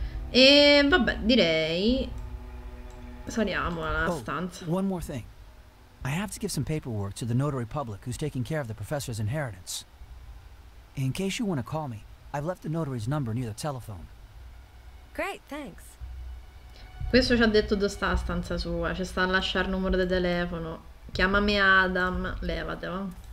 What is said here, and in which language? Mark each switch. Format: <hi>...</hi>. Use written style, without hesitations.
<it>E vabbè, direi saliamo alla stanza.</it> <en>One more thing. I have to give some paperwork to the notary public who's taking care of the professor's inheritance. In case you want to call me, I've left the notary's number near the telephone. Great, thanks.</en> <it>Questo ci ha detto dove sta la stanza sua, ci sta a lasciare il numero di telefono. Chiamami Adam, levatelo.</it>